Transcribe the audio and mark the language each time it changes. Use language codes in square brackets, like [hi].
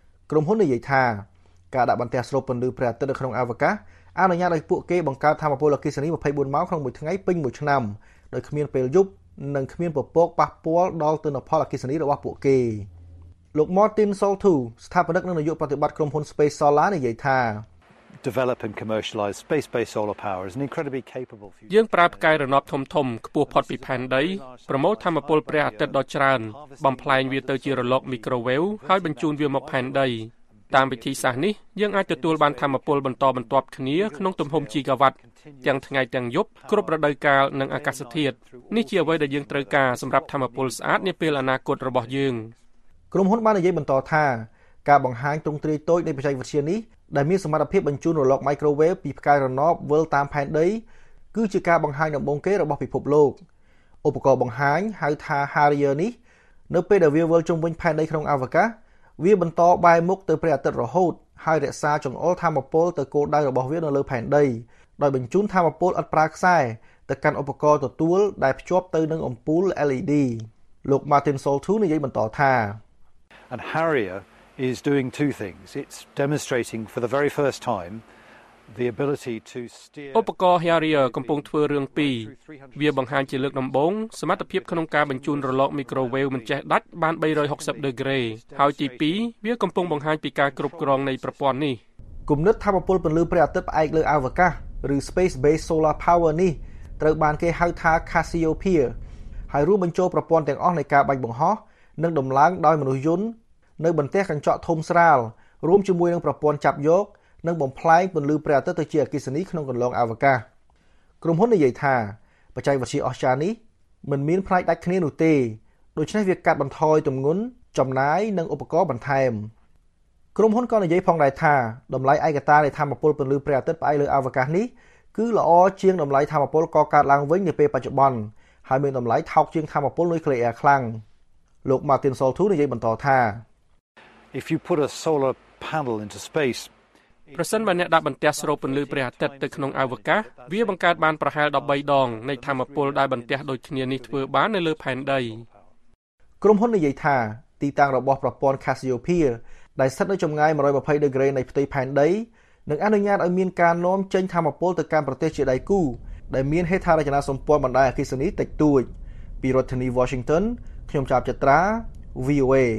[km] ក្រុមហ៊ុននិយាយថាការដាក់បន្ទះស្រូបពន្លឺព្រះអាទិត្យក្នុងអវកាសអនុញ្ញាតឲ្យពួកគេបង្កើតថាមពលអគ្គិសនី24ម៉ោងក្នុងមួយថ្ងៃពេញមួយឆ្នាំដោយគ្មានពេលយប់និងគ្មានពពកប៉ះពាល់ដល់ទិន្នផលអគ្គិសនីរបស់ពួកគេលោក Martin Saltu ស្ថាបនិកនិងនាយកប្រតិបត្តិក្រុមហ៊ុន Space Solar និយាយថា [en] develop and commercialize space-based solar power is an incredibly capable [km] យើងប្រើផ្កាយរណបធំធំខ្ពស់ផុតពីផែនដីប្រមូលថាមពលព្រះអាទិត្យដ៏ច្រើនបំផ្លែងវាទៅជារលកមីក្រូវេវហើយបញ្ជូនវាមកផែនដីតាមវិធីសាស្ត្រនេះយើងអាចទទួលបានថាមពលបន្តបន្ទាប់គ្នាក្នុងទំហំជីកាវ៉ាត់ទាំងថ្ងៃទាំងយប់គ្រប់រដូវកាលនិងអាកាសធាតុនេះជាអ្វីដែលយើងត្រូវការសម្រាប់ថាមពលស្អាតនាពេលអនាគតរបស់យើង ក្រុមហ៊ុនបាននិយាយបន្តថាការបង្ហាញទ្រង់ទ្រាយតូចនៃបច្ចេកវិទ្យានេះដែលមានសមត្ថភាពបញ្ជូនរលកមីក្រូវេវពីផ្កាយរណបវិលតាមផែនដីគឺជាការបង្ហាញដំបូងគេរបស់ពិភពលោក ឧបករណ៍បង្ហាញហៅថា Harrier នេះនៅពេលដែលវាវិលជុំវិញផែនដីក្នុងអវកាសវាបន្តបែរមុខទៅព្រះអាទិត្យរហូតហើយរក្សាចង្អុលថាមពលទៅគោលដៅរបស់វានៅលើផែនដីដោយបញ្ជូនថាមពលឥតប្រើខ្សែទៅកាន់ឧបករណ៍ទទួលដែលភ្ជាប់ទៅនឹងអំពូល LED លោក Martin Saltou និយាយបន្តថា [en] And Harrier is doing two things. It's demonstrating for the very first time the ability to steer [km] ឧបករណ៍ Harrier កំពុងធ្វើរឿងពីរវាបង្ហាញជាលើកដំបូងសមត្ថភាពក្នុងការបញ្ជូនរលកមីក្រូវេវមិនចេះដាច់បាន360ដឺក្រេហើយទី2វាកំពុងបង្ហាញពីការគ្រប់គ្រងនៃប្រព័ន្ធនេះ គំនិតថាពលពន្លឺព្រះអាទិត្យផ្អែកលើអវកាសឬ Space Based Solar Power នេះត្រូវបានគេហៅថា Cassiopeia ហើយរួមបញ្ចូលប្រព័ន្ធទាំងអស់នៃការបាញ់បង្ហោះនិងដំឡើងដោយមនុស្សយន្តនៅបន្ទះកញ្ចក់ធំស្រាលរួមជាមួយនឹងប្រព័ន្ធចាប់យកនិងបំផ្លែងពន្លឺព្រះអាទិត្យទៅជាអគ្គិសនីក្នុងកន្លងអវកាសក្រុមហ៊ុននិយាយថាបច្ចេកវិទ្យាអស្ចារ្យនេះមិនមានផ្នែកដាច់គ្នានោះទេដូច្នេះវាកាត់បន្ថយទម្ងន់ចំណាយនិងឧបករណ៍បន្ថែម ក្រុមហ៊ុនក៏និយាយផងដែរថាតម្លៃឯកតានៃថាមពលពន្លឺព្រះអាទិត្យផ្អែកលើអវកាសនេះគឺល្អជាងតម្លៃថាមពលកកើតឡើងវិញនាពេលបច្ចុប្បន្នហើយមានតម្លៃថោកជាងថាមពលនុយក្លេអ៊ែរខ្លាំងលោក Martin Saltou និយាយបន្តថា [en] If you put a solar panel into space [km] ប្រសិនបើអ្នកដាក់បន្ទះស្រូបពន្លឺព្រះអាទិត្យទៅក្នុងអវកាសវាបង្កើតបានប្រហែល13ដងនៃថាមពលដែលបន្ទះដូចគ្នានេះធ្វើបាននៅលើផែនដី ក្រុមហ៊ុននិយាយថាទីតាំងរបស់ប្រព័ន្ធ Cassiopeia ដែលស្ថិតនៅចម្ងាយ120ដឺក្រេនៃផ្ទៃផែនដីនឹងអនុញ្ញាតឲ្យមានការនាំចេញថាមពលទៅកាន់ប្រទេសជាដៃគូដែលមានហេដ្ឋារចនាសម្ព័ន្ធបណ្ដាញអគ្គិសនីតិចតួចពីរដ្ឋធានី Washington ខ្ញុំចាប់ចត្រា VOA